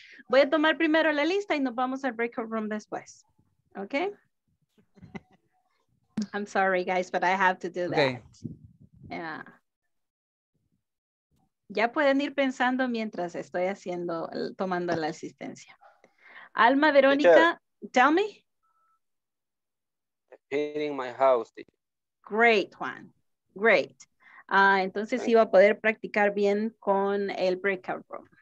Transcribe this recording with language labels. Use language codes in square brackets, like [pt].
[es] Voy a tomar primero la lista y nos vamos al breakout room después. [en] Okay? I'm sorry, guys, but I have to do that. Yeah. [es] Ya pueden ir pensando mientras estoy haciendo, tomando la asistencia. [en] Alma Verónica, teacher, tell me. I'm painting my house. Great, Juan. Great. [es] Entonces iba a poder practicar bien con el breakout room.